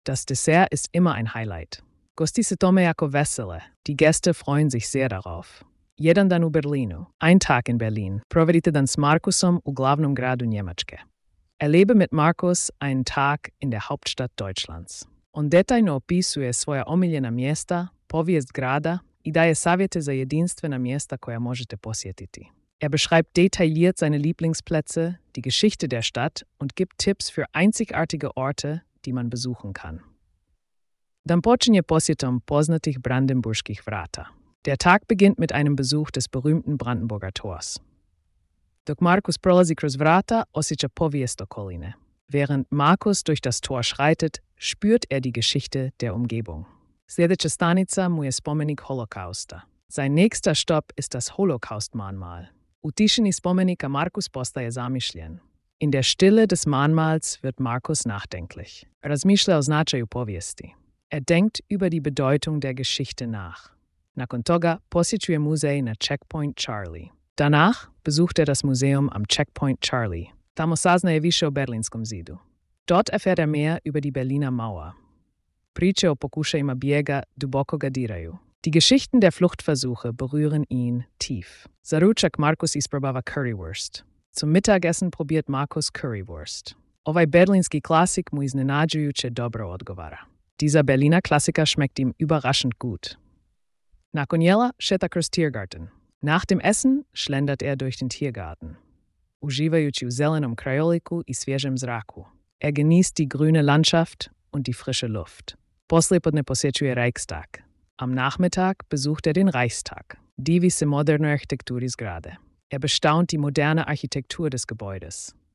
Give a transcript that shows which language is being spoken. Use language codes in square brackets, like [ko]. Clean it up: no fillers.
[de] Das Dessert ist immer ein Highlight. [hr] Gosti se tome jako vesele. [de] Die Gäste freuen sich sehr darauf. [hr] Jedan dan u Berlinu. [de] Ein Tag in Berlin. [hr] Provedite dan s Markusom u glavnom gradu Njemačke. [de] Erlebe mit Markus einen Tag in der Hauptstadt Deutschlands. [hr] On detaljno opisuje svoja omiljena mjesta, povijest grada i daje savjete za jedinstvena mjesta koja možete posjetiti. [de] Er beschreibt detailliert seine Lieblingsplätze, die Geschichte der Stadt und gibt Tipps für einzigartige Orte, die man besuchen kann. [hr] Dann počinje posjetom poznatih brandenburgskih vrata. [de] Der Tag beginnt mit einem Besuch des berühmten Brandenburger Tors. [hr] Dok Markus prolazi kroz vrata, osjeća povijest okoline. [de] Während Markus durch das Tor schreitet, spürt er die Geschichte der Umgebung. [hr] Sljedeća stanica mu je spomenik Holokausta. [de] Sein nächster Stopp ist das Holocaust-Mahnmal. [hr] U tišini spomenika Markus postaje zamišljen. [de] In der Stille des Mahnmals wird Markus nachdenklich. [hr] Razmišlja o značaju povijesti. [de] Er denkt über die Bedeutung der Geschichte nach. [hr] Nakon toga posjećuje muzej na Checkpoint Charlie. [de] Danach besucht er das Museum am Checkpoint Charlie. [hr] Tamo saznaje više o berlinskom zidu. [de] Dort erfährt er mehr über die Berliner Mauer. [hr] Priče o pokušajima bijega duboko ga diraju. [de] Die Geschichten der Fluchtversuche berühren ihn tief. [hr] Zaručak Markus isprobava Currywurst. [de] Zum Mittagessen probiert Markus Currywurst. [hr] Ovaj berlinski klasik mu iznenađujuće dobro odgovara. [de] Dieser Berliner Klassiker schmeckt ihm überraschend gut. [hr] Nakon jela šeta kroz Tiergarten. [de] Nach dem Essen schlendert er durch den Tiergarten. [hr] Uživajući u zelenom krajoliku i svježem zraku. [de] Er genießt die grüne Landschaft und die frische Luft. [hr] Poslijepodne posjećuje Reichstag. [de] Am Nachmittag besucht er den Reichstag. [hr] Divi se modernoj arhitekturi zgrade. [de] Er bestaunt die moderne Architektur des Gebäudes.